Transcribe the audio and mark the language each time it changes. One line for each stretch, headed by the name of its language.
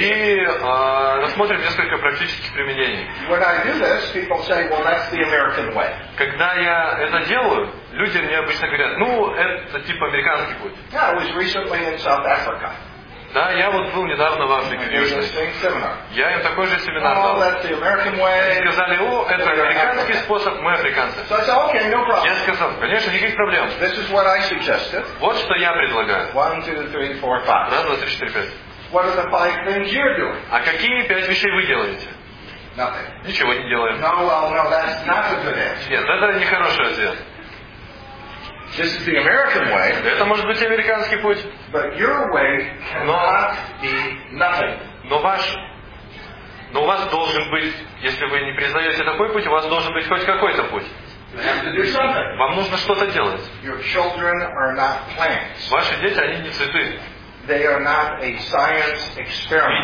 Russian: И рассмотрим несколько практических применений.
English: When I do this, people say, "Well, that's the American way."
Russian: Когда я это делаю, люди мне обычно говорят: "Ну, это типа американский путь."
English: Yeah, I was recently in South Africa.
Russian: Да, я вот был недавно в Африке. Я им такой же семинар дал. Они сказали, о, это американский способ, мы африканцы.
English: So I said, okay, no problem.
Russian: Я сказал, конечно, никаких проблем.
English: This is what I suggested.
Russian: Вот что я предлагаю.
English: 1, 2, 3, 4, 5.
Russian: А какие пять вещей вы делаете?
English: Nothing.
Russian: Ничего не делаем.
English: No, well, no, that's not a good answer.
Russian: Нет, это нехороший ответ.
English: This is the American way.
Russian: Это может быть американский путь.
English: But your way cannot be nothing.
Russian: Но ваш, но у вас должен быть, если вы не признаете такой путь, у вас должен быть хоть какой-то путь.
English: You have to do something.
Russian: Вам нужно что-то делать.
English: Your children are not plants.
Russian: Ваши дети, они не цветы.
English: They are not a science experiment.